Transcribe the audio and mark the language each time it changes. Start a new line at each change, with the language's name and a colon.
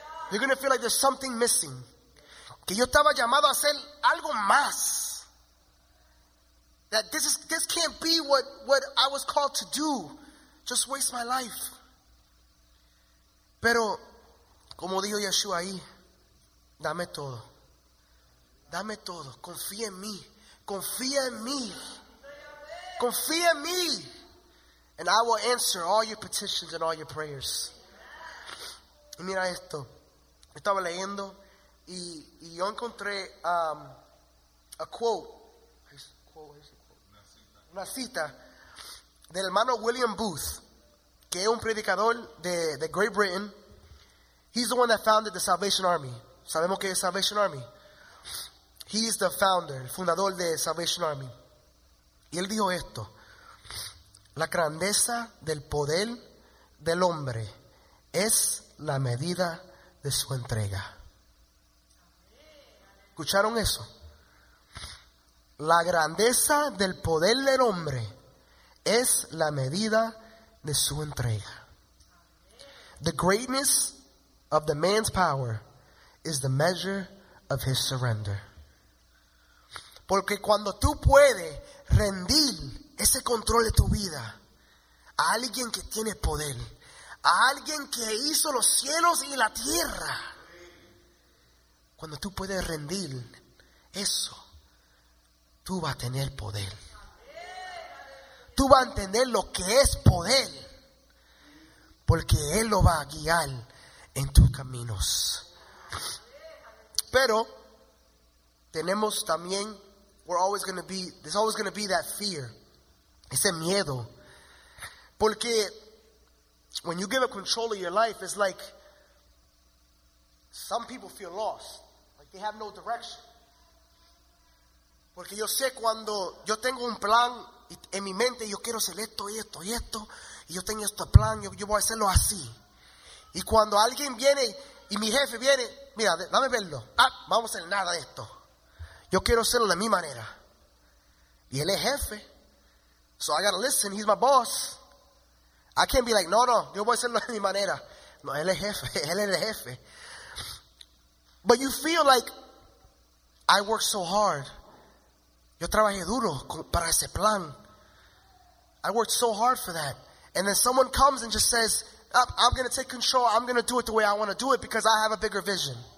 English: You're going to feel like there's something missing.
Spanish: Que yo estaba llamado a hacer algo más.
English: That this can't be what I was called to do. Just waste my life.
Spanish: Pero como dijo Yeshua ahí, dame todo. Dame todo, confía en mí. Confía en mí. Confía en mí.
English: And I will answer all your petitions and all your prayers.
Spanish: Y mira esto. Estaba leyendo y yo encontré
English: a quote.
Spanish: Una cita del hermano William Booth, que es un predicador de Great Britain.
English: He's the one that founded the Salvation Army.
Spanish: Sabemos que es Salvation Army.
English: He is the founder,
Spanish: el fundador de Salvation Army. Y él dijo esto: la grandeza del poder del hombre es la medida de su entrega. ¿Escucharon eso? La grandeza del poder del hombre es la medida de su entrega.
English: The greatness of the man's power is the measure of his surrender.
Spanish: Porque cuando tú puedes rendir ese control de tu vida a alguien que tiene poder, a alguien que hizo los cielos y la tierra, cuando tú puedes rendir eso, tú vas a tener poder. Tú vas a entender lo que es poder. Porque Él lo va a guiar en tus caminos. Pero tenemos también,
English: we're always going to be, there's always going to be that fear.
Spanish: Ese miedo.
English: Porque when you give up control of your life, it's like some people feel lost. Like they have no direction.
Spanish: Porque yo sé cuando yo tengo un plan en mi mente, yo quiero hacer esto y esto y esto, y yo tengo este plan, yo voy a hacerlo así. Y cuando alguien viene y mi jefe viene, mira, dame verlo. Ah, vamos a hacer nada de esto. Yo quiero hacerlo de mi manera. Y él es jefe.
English: So I gotta listen, he's my boss. I can't be like,
Spanish: no, no, yo voy a hacerlo de mi manera. No, él es jefe, él es el jefe.
English: But you feel like, I work so hard.
Spanish: Yo trabajé duro para ese plan.
English: I worked so hard for that. And then someone comes and just says, I'm going to take control. I'm going to do it the way I want to do it because I have a bigger vision.